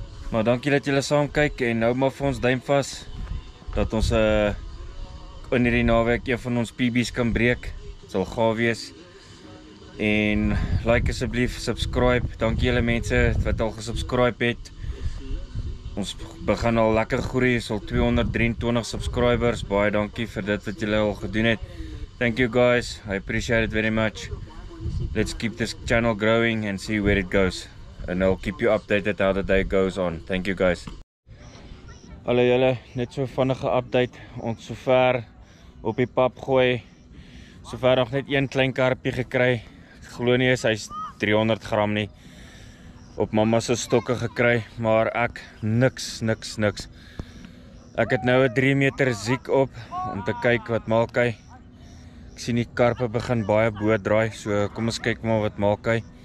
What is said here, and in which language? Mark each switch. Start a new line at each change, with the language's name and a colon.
Afrikaans: Maar dankie dat julle saam kyk en hou maar vir ons duim vas dat ons in hierdie naweek een van ons PB's kan breek. Dit sal gaaf wees. En like asseblief, subscribe. Dankie julle mense wat al gesubscribe het. Ons begin al lekker groei, ons al 223 subscribers. Baie dankie vir dit wat julle al gedoen het.
English: Thank you guys. I appreciate it very much. Let's keep this channel growing and see where it goes. And I'll keep you updated how the day goes on. Thank you guys.
Afrikaans: Hallo julle, net so vinnige update. Ons sover op die pap gooi. Sover nog net een klein karpie gekry. Ek glo nie is hy's 300 gram nie. Op mamma se stokke gekry, maar ek niks. Ek het nou 'n 3 meter ziek op om te kyk wat maak hy. Ek sien die karpe begin baie bo draai, so kom ons kyk maar wat maak hy.